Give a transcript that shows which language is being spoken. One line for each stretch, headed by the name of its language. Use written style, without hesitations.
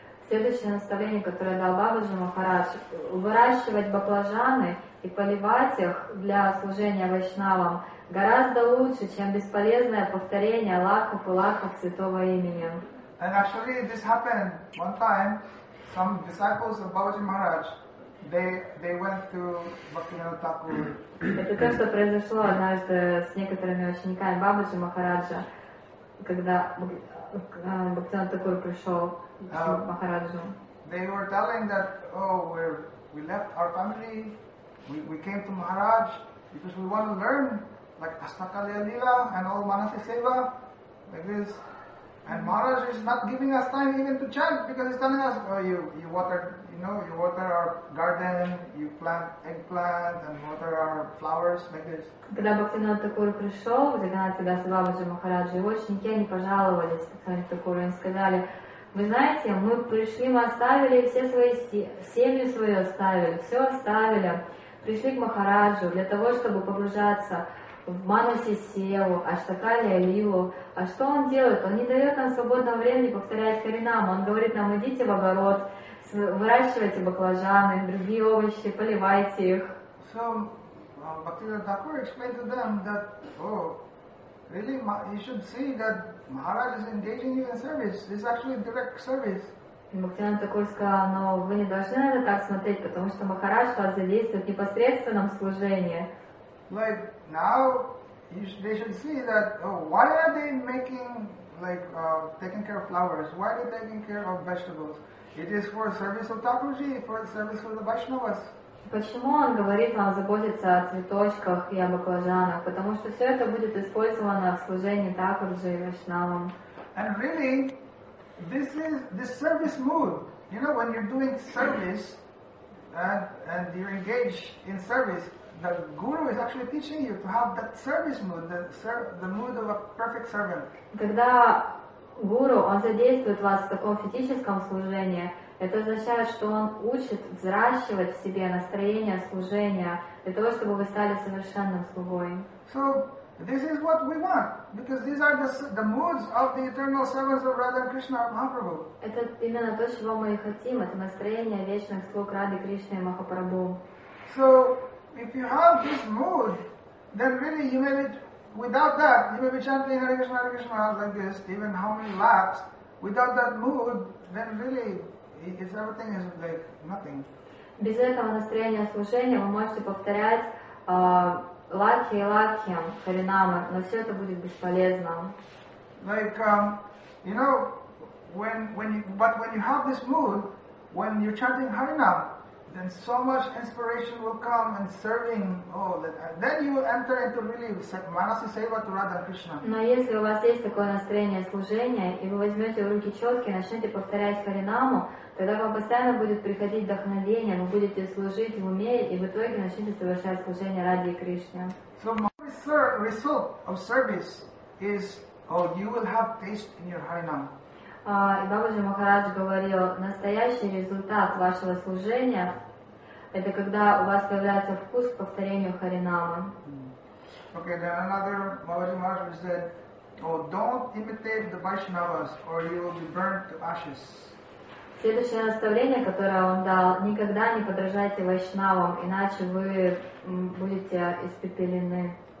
Russian: Следующее наставление, которое дал Бабаджи Махарадж, выращивать баклажаны и поливать их для служения Вайшнавам гораздо лучше, чем бесполезное повторение лаха пулаха святого имени.
English: And actually this happened one time, some disciples of Бабаджи Махарадж, They went to Bhaktivinoda Thakur.
Russian: Это то, что произошло однажды с некоторыми учениками Бабаджи Махараджа, когда Бхактивинода Такур пришел к Махараджу.
English: They were telling that, oh, we left our family, we came to Maharaj because we want to learn like Astakalya Lila and all Manasi Seva like this. And Maharaj is not giving us time even to chant because he's telling us, oh, you watered. No, you water our garden, you plant eggplant, and water our flowers, like this.
Russian: Когда Бхактивинода Такур пришел, Джаганнатха Даса Бабаджи Махараджа, его ученики, они пожаловались Бхактивинода Такуру, они сказали, вы знаете, мы пришли, мы оставили все свои семью свою оставили, все оставили, пришли к Махараджу для того, чтобы погружаться в Манусе Севу, Аштакалия Лилу. А что он делает? Он не дает нам свободного времени повторять Харинаму. Он говорит нам, идите в огород, выращивайте баклажаны, другие овощи, поливайте их.
English: So, Bhaktivinoda Thakur explained to them that, oh, really, you should see that Maharaj is engaging you in service. This is actually direct service.
Russian: И Бхактивинода Такур сказал, но вы не должны на это так смотреть, потому что Махарадж вас задействует в непосредственном служении.
English: Like, now, they should see that, oh, why are they making, like, taking care of flowers? Why are they taking care of vegetables? It is for service of Thakurji, for service of the Vaishnavas.
Russian: Почему он говорит вам заботиться о цветочках и о баклажанах? Потому что все это будет использовано в служении Thakurji и Вайшнавам.
English: And really, this is the service mood. You know, when you're doing service and you're engaged in service, the guru is actually teaching you to have that service mood, the mood of a perfect servant.
Russian: Когда гуру, он задействует вас в таком физическом служении. Это означает, что он учит взращивать в себе настроение служения для того, чтобы вы стали совершенным слугой.
English: So this is what we want, because these are the moods of the eternal servants of Radha Krishna Mahaprabhu.
Russian: Это именно то, чего мы и хотим. Это настроение вечных слуг Рады Кришны и Махапрабху.
English: So if you have this mood, then really you may be. Without that, you may be chanting Hare Krishna like this, even how many laps. Without that mood, then really, it's everything is like nothing.
Russian: Без этого настроения служения вы можете повторять лакхи и лакхи харинамы, но все это будет бесполезно.
English: Like, you know, when you have this mood, when you're chanting Harinam, then so much inspiration will come and serving. Oh, then you will enter into really Manasi Seva to Radha Krishna.
Russian: Но если у вас есть такое настроение служения и вы возьмете в руки четки и начнете повторять Харинаму, тогда вам постоянно будет приходить вдохновение, вы будете служить в уме и в итоге начнете совершать служение ради Кришны.
English: So my result of service is, oh, you will have taste in your Harinam.
Russian: И Бабаджи Махарадж говорил, настоящий результат вашего служения — это когда у вас появляется вкус к повторению Харинама.
English: Okay, then another Бабаджи Махарадж said, oh, don't imitate the Vaishnavas or you will be burned to ashes.
Russian: Следующее наставление, которое он дал, никогда не подражайте Вайшнавам, иначе вы будете испепелены.